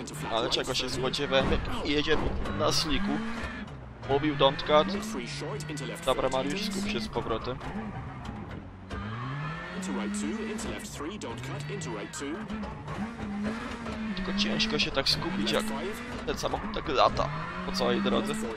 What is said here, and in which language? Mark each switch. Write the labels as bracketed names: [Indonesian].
[Polish] Ale czego się spodziewamy? Jedziemy na sliku. Mówił [English] don't cut. [Polish] Dobra, Mariusz, skup się z powrotem. [English] into right two, into left three, don't cut into right two. [Polish] Tylko ciężko się tak skupić, jak ten samochód tak lata po całej drodze.